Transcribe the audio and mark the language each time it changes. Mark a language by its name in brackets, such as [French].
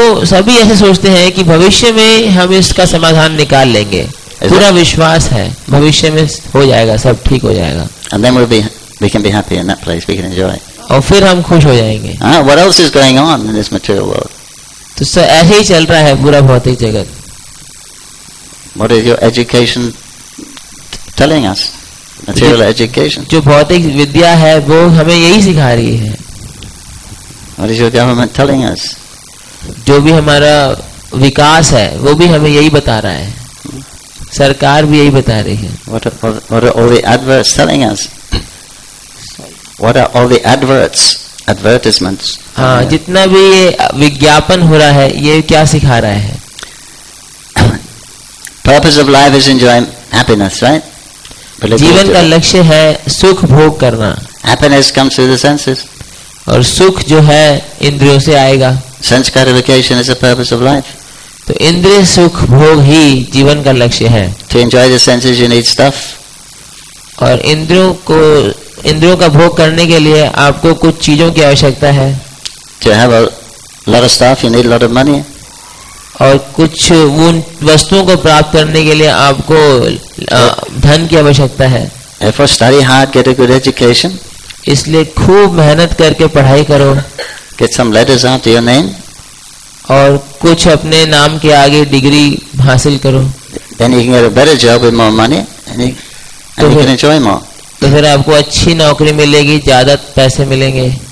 [Hindi] सभी ऐसे सोचते हैं कि भविष्य में हम इसका समाधान निकाल लेंगे. पूरा विश्वास है भविष्य में हो जाएगा, सब ठीक हो जाएगा. [English] And then we can be happy in that place. We can enjoy. [Hindi] और फिर हम खुश हो जाएंगे. [English] What else is going on in this material world? [Hindi] तो सब ऐसे ही चल रहा है पूरा भौतिक जगत. [English] What is your education telling us? Material education. [Hindi] जो भौतिक विद्या है वो हमें यही सिखा रही है. [English] What is your government telling us? [Hindi] जो भी हमारा विकास है वो भी हमें यही बता रहा है. सरकार भी यही बता रही है. [English] What are all the adverts telling us? What are all the adverts, advertisements? [Hindi] हाँ, जितना भी ये विज्ञापन हो रहा है ये क्या सिखा रहा है? [English] Purpose of life is enjoying happiness, right? [Hindi] जीवन का लक्ष्य है सुख भोग करना. [English] Happiness comes through the senses. [Hindi] और सुख जो है इंद्रियों से आएगा. [English] Sense gratification is the purpose of life. [Hindi] तो इंद्रिय सुख भोग ही जीवन का लक्ष्य है. [English] To enjoy the senses, you need stuff. [Hindi] और इंद्रियों का भोग करने के लिए आपको कुछ चीजों की आवश्यकता है. [English] To have a lot of stuff, you need a lot of money. [Hindi] और कुछ उन वस्तुओं को प्राप्त करने के लिए आपको धन की आवश्यकता है. [English] If you study hard, get a good education. [Hindi] इसलिए खूब मेहनत करके पढ़ाई करो. [English] Get some letters after your name. [Hindi] और कुछ अपने नाम के आगे डिग्री हासिल करो. [English] Then you can get a better job with more money and you can enjoy more. [Hindi] तो फिर आपको अच्छी नौकरी मिलेगी, ज्यादा पैसे मिलेंगे.